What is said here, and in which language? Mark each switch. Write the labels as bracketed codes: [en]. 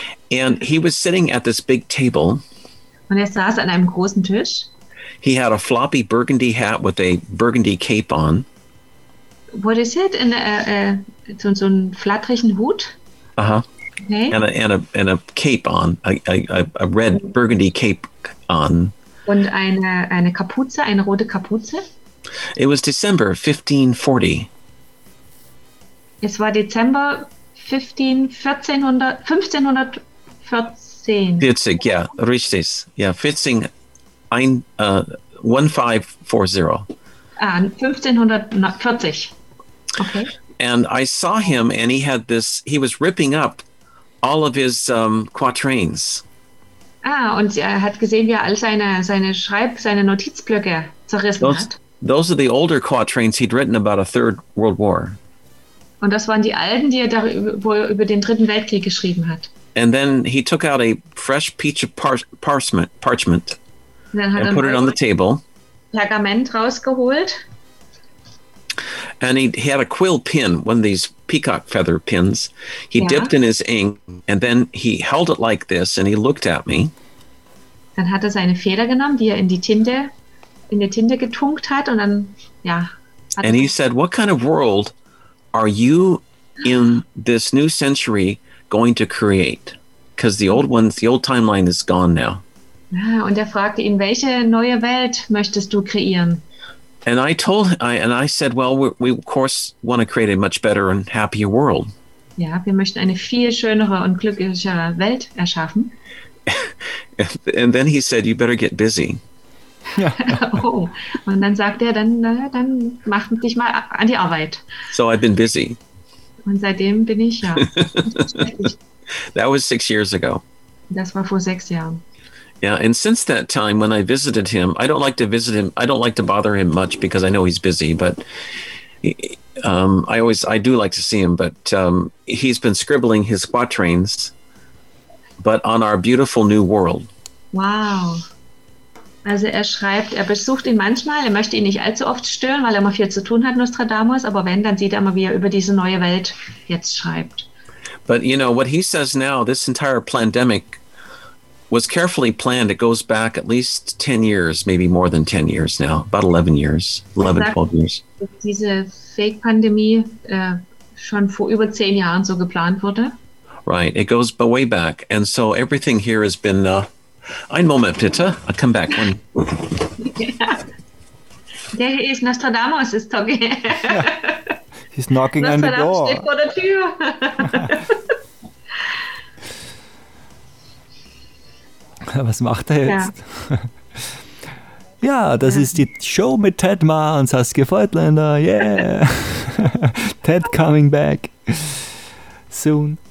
[en] And he was sitting at this big table. [de] Und saß an einem großen Tisch. [en] He had a floppy burgundy hat with a burgundy cape on. What is it? [de] So einen flatterigen Hut? [en] Okay. And a cape on, a red burgundy cape on. [de] Und eine Kapuze, eine rote Kapuze. [en] It was December 1540. [de] Es war Dezember 1514. [en] 40, yeah, richtig. Yeah, 1540. 1540. Okay. And I saw him and he was ripping up all of his quatrains. [de] Ah, und er hat gesehen, wie er all seine Notizblöcke zerrissen hat. [en] Those are the older quatrains he'd written about a third world war. [de] Und das waren die Alten, die er darüber, über den Dritten Weltkrieg geschrieben hat. [en] And then he took out a fresh piece of parchment and put it on the table. [de] Pergament rausgeholt. [en] And he had a quill pin, one of these peacock feather pins. He dipped in his ink and then he held it like this and he looked at me. [de] Dann hat er seine Feder genommen, die er in die Tinte getunkt hat und dann [en] And he said, "What kind of world are you in this new century going to create? Because the old timeline is gone now." [de] Und er fragte ihn, welche neue Welt möchtest du kreieren? [en] And I said, "Well, we of course want to create a much better and happier world." [de] Ja, wir möchten eine viel schönere und glücklichere Welt erschaffen. [en] And then he said, "You better get busy." [de] Oh, und dann sagt er, dann mach dich mal an die Arbeit. [en] So I've been busy. [de] Und seitdem bin ich, [en] That was 6 years ago. [de] Das war vor 6 Jahren. [en] Yeah, and since that time when I visited him, I don't like to visit him, I don't like to bother him much because I know he's busy, but I do like to see him, but he's been scribbling his quatrains, but on our beautiful new world. Wow. [de] Also er schreibt, er besucht ihn manchmal, er möchte ihn nicht allzu oft stören, weil er immer viel zu tun hat, Nostradamus, aber wenn, dann sieht er immer, wie er über diese neue Welt jetzt schreibt. [en] But you know, what he says now, this entire pandemic was carefully planned. It goes back at least 10 years, maybe more than 10 years now, about 11 years, 11, 12 years. [de] Diese Fake-Pandemie schon vor über 10 Jahren so geplant wurde. [en] Right, it goes way back. And so everything here has been... [de] Ein Moment, bitte. [en] I'll come back. There he is. Nostradamus is talking. Yeah. He's knocking on the door. [de] Nostradamus steht vor der Tür. Was macht er jetzt? Ja, das ist die Show mit Ted Ma und Saskia Feutländer. [en] Yeah. Ted coming back. Soon.